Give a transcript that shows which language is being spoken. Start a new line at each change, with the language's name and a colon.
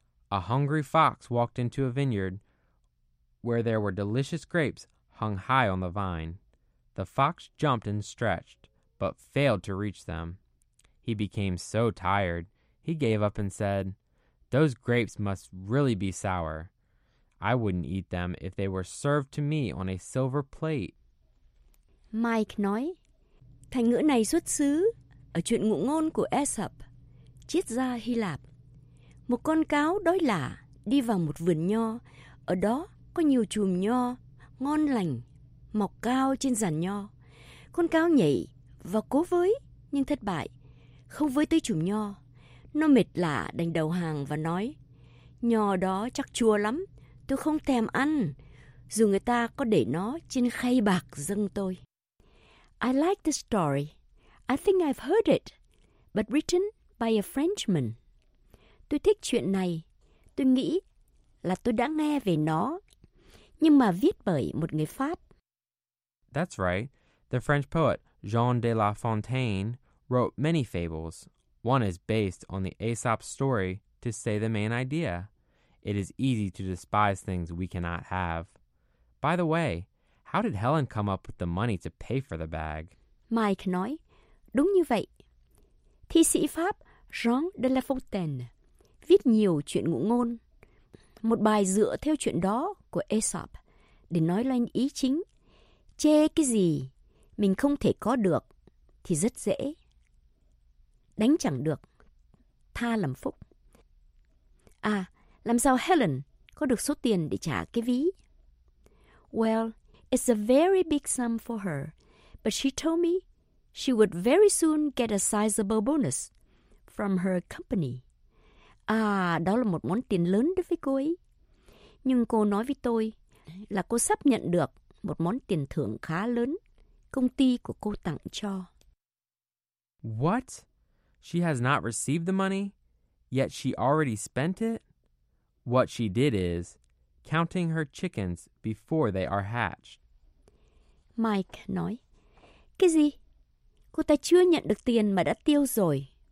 English: A hungry fox walked into a vineyard where there were delicious grapes hung high on the vine. The fox jumped and stretched, but failed to reach them. He became so tired, he gave up and said, "Those grapes must really be sour. I wouldn't eat them if they were served to me on a silver plate."
Vietnamese: Mike nói, thành ngữ này xuất xứ ở chuyện ngụ ngôn của Aesop, triết gia Hy Lạp. Một con cáo đói lả đi vào một vườn nho, ở đó có nhiều chùm nho ngon lành, mọc cao trên giàn nho. Con cáo nhảy và cố với, nhưng thất bại, không với tới chùm nho. Nó mệt lả đành đầu hàng và nói, nho đó chắc chua lắm, tôi không thèm ăn, dù người ta có để nó trên khay bạc dâng tôi.
English: I like the story. I think I've heard it, but written by a Frenchman.
Vietnamese: Tôi thích chuyện này. Tôi nghĩ là tôi đã nghe về nó, nhưng mà viết bởi một người Pháp.
English: That's right. The French poet Jean de La Fontaine wrote many fables. One is based on the Aesop story to say the main idea. It is easy to despise things we cannot have. By the way, how did Helen come up with the money to pay for the bag?
Vietnamese: Mike nói, đúng như vậy. Thi sĩ Pháp Jean de La Fontaine viết nhiều chuyện ngụ ngôn. Một bài dựa theo chuyện đó của Aesop để nói lên ý chính. Chê cái gì mình không thể có được thì rất dễ. Đánh chẳng được, tha làm phúc. À, làm sao Helen có được số tiền để trả cái ví?
English: Well, it's a very big sum for her, but she told me she would very soon get a sizable bonus from her company.
Vietnamese: À, đó là một món tiền lớn đối với cô ấy. Nhưng cô nói với tôi là cô sắp nhận được một món tiền thưởng khá lớn công ty của cô tặng cho.
English: What? She has not received the money, yet she already spent it? What she did is counting her chickens before they are hatched.
Vietnamese: Mike nói, cái gì? Cô ta chưa nhận được tiền mà đã tiêu rồi.